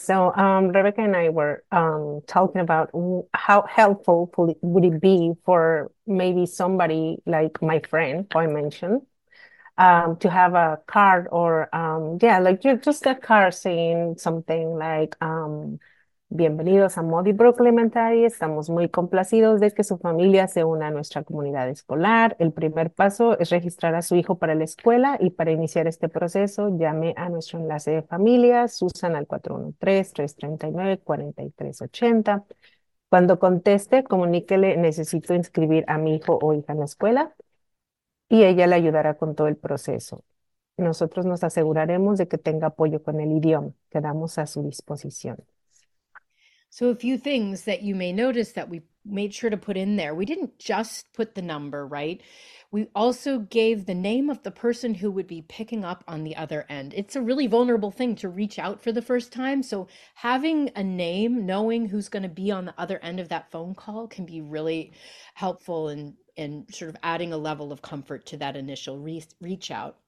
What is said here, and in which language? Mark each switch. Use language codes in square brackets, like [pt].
[en] So Rebecca and I were talking about how helpful would it be for maybe somebody like my friend who I mentioned to have a card or just a card saying something like, [es] bienvenidos a Modibro Elementary. Estamos muy complacidos de que su familia se una a nuestra comunidad escolar. El primer paso es registrar a su hijo para la escuela y para iniciar este proceso, llame a nuestro enlace de familias, Susan al 413-339-4380. Cuando conteste, comuníquele, necesito inscribir a mi hijo o hija en la escuela y ella le ayudará con todo el proceso. Nosotros nos aseguraremos de que tenga apoyo con el idioma. Quedamos a su disposición. [en] So a few things that you may notice that we made sure to put in there. We didn't just put the number, right? We also gave the name of the person who would be picking up on the other end. It's a really vulnerable thing to reach out for the first time. So having a name, knowing who's going to be on the other end of that phone call can be really helpful in sort of adding a level of comfort to that initial reach out.